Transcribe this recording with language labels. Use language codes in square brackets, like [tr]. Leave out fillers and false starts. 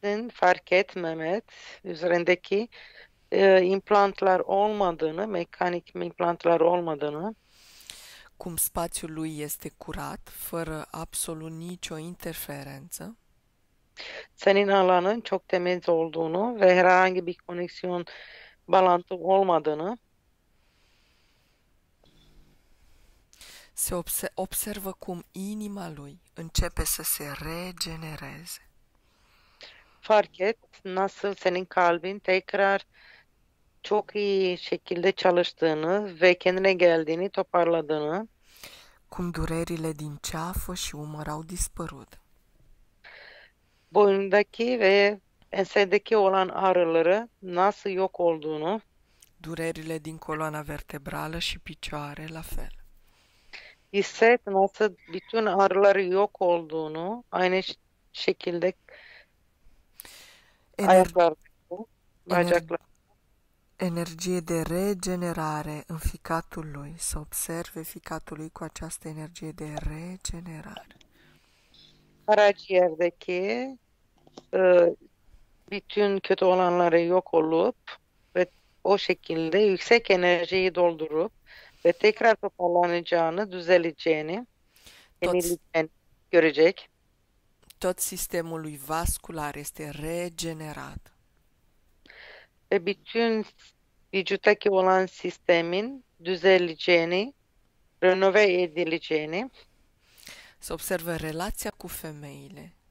[tr] Fark et Mehmet, üzerindeki implantlar olmadığını, mekanik implantlar olmadığını. [ro] Cum spațiul lui este curat, fără absolut nicio interferență. [tr] Senin alanın çok temiz olduğunu ve herhangi bir koneksiyon bağlantı olmadığını. [ro] Se observă cum inima lui începe să se regenereze. [tr] Fark et nasıl senin kalbin tekrar çok iyi şekilde çalıştığını ve kendine geldiğini toparladığını. [ro] Cum durerile din ceafă și umăr au dispărut. [tr] Boyundaki ve ensedeki olan ağrıları nasıl yok olduğunu. [ro] Durerile din coloana vertebrală și picioare la fel. [tr] Hisset nasıl bütün ağrıları yok olduğunu aynı şekilde ayaklar, bacaklar. [ro] Energie de regenerare în ficatul lui, să observe ficatul lui cu această energie de regenerare. [tr] Karaciğerdeki bütün kötü olanları yok olup ve o şekilde yüksek enerjiyi doldurup ve tekrar toparlanacağını, [ro] Toți [tr] düzeleceğini, yenileceğini görecek. [ro] sistemul lui vascular este regenerat. [tr] Ve bütün vücuttaki olan sistemin düzeleceğini, renove edileceğini. [ro] Să observă relația cu femeile.